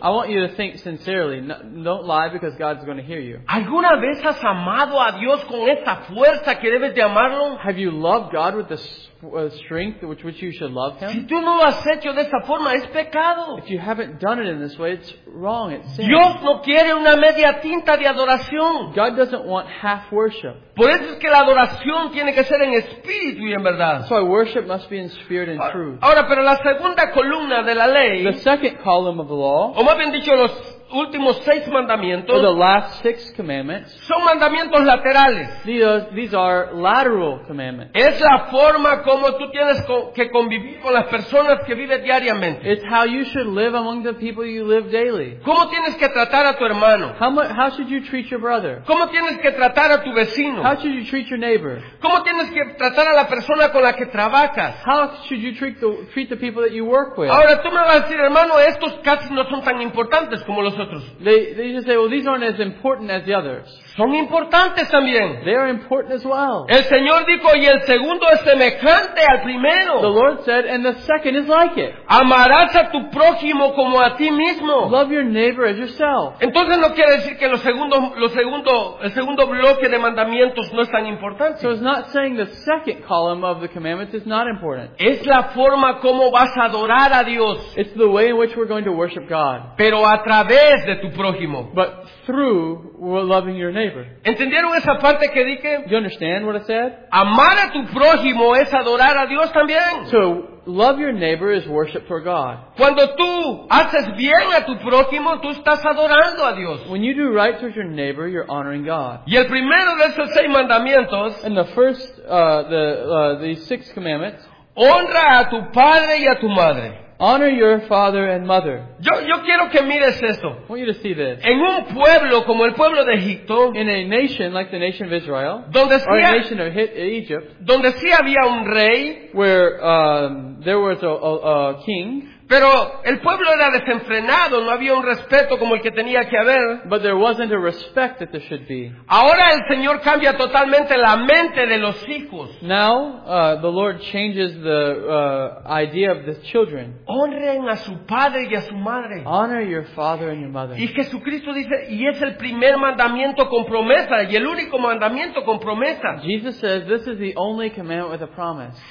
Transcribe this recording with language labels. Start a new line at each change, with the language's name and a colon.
English: I want you to think sincerely, don't lie because God's going to hear you.
Spanish: ¿Alguna vez has amado a Dios con esta fuerza que debes de amarlo?
English: Have you loved God with the strength which you should love Him?
Spanish: Si tú no lo has hecho de esta forma, es pecado.
English: If you haven't done it in this way, it's wrong, it's sin.
Spanish: Dios no quiere una media tinta de adoración.
English: God doesn't want half worship.
Spanish: Por eso es que la adoración tiene que ser en espíritu y en verdad.
English: So our worship must be in spirit and truth.
Spanish: Ahora, pero la segunda columna de la ley,
English: the second column of the law,
Spanish: o más bien dicho, los últimos seis mandamientos,
English: or the last six commandments,
Spanish: son mandamientos laterales.
English: These are lateral commandments.
Spanish: Es la forma como tú tienes que convivir con las personas que vives diariamente.
English: It's how you should live among the people you live daily.
Spanish: ¿Cómo tienes que tratar a tu hermano?
English: How should you treat your brother?
Spanish: ¿Cómo tienes que tratar a tu vecino?
English: How should you treat your neighbor?
Spanish: ¿Cómo tienes que tratar a la persona con la que trabajas?
English: How should you treat the people that you work with?
Spanish: Ahora tú me vas a decir, hermano, estos casi no son tan importantes como los otros.
English: They just say, well, these aren't as important as the others.
Spanish: Son importantes también.
English: They are important as well.
Spanish: El Señor dijo, y el segundo es semejante al primero.
English: The Lord said, and the second is like it.
Spanish: Amarás a tu prójimo como a ti mismo.
English: Love your neighbor as yourself.
Spanish: Entonces no quiere decir que el segundo bloque de mandamientos no es tan importante.
English: So it's not saying the second column of the commandments is not important.
Spanish: Es la forma como vas a adorar a Dios.
English: It's the way in which we're going to worship God.
Spanish: Pero a través de tu prójimo.
English: But through loving your neighbor.
Spanish: ¿Entendieron esa parte que dije?
English: You understand what I said?
Spanish: Amar a tu prójimo es adorar a Dios también.
English: So, love your neighbor is worship for God.
Spanish: Cuando tú haces bien a tu prójimo, tú estás adorando a Dios.
English: When you do right towards your neighbor, you're honoring God.
Spanish: Y el primero de esos seis mandamientos,
English: and the first, the six commandments,
Spanish: honra a tu padre y a tu madre.
English: Honor your father and mother.
Spanish: Yo quiero que mires esto.
English: I want you to see this.
Spanish: En un pueblo como el pueblo de Egipto,
English: in a nation like the nation of Israel,
Spanish: donde sí,
English: or a nation of Egypt,
Spanish: donde sí había un rey,
English: where there was a king,
Spanish: Pero el pueblo era desenfrenado, no había un respeto como el que tenía que haber.
English: But there wasn't a respect that there should be.
Spanish: Ahora el Señor cambia totalmente la mente de los hijos.
English: Now, the Lord changes the idea of the children.
Spanish: Honren a su padre y a su madre.
English: Honor your father and your mother.
Spanish: Y Jesucristo dice, y es el primer mandamiento con promesa, y el único mandamiento con promesa.
English: Jesus says, this is the only commandment with a promise.